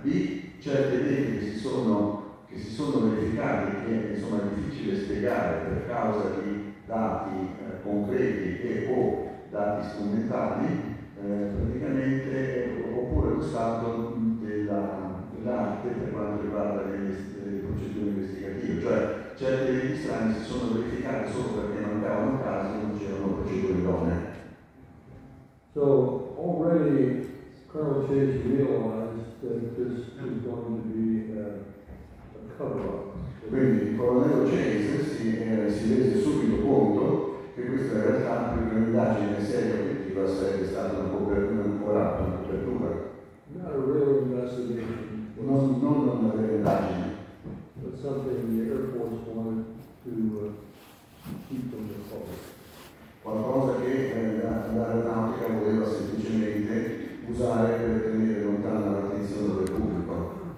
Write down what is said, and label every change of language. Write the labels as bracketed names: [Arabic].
[Italian] B, certe idee che si sono verificate, che insomma è difficile spiegare per causa di dati concreti e o dati strumentali, praticamente, oppure lo stato dell'arte per quanto riguarda le procedure investigative. Cioè, certe idee strane si sono verificate solo perché mancavano casi e non c'erano procedure idonee. [English] So, already Colonel Chase realized that this was going to be a cover-up. [Italian] Quindi il colonnello Chase si rese subito conto che questa in realtà più che un'indagine seria obiettiva sarebbe stata una copertura. [English] Not a real investigation. [Italian] Non una vera indagine. [English] But something the Air Force wanted to keep from the public. [Italian] Qualcosa che l'Aeronautica voleva semplicemente usare per tenere lontana l'attenzione del pubblico.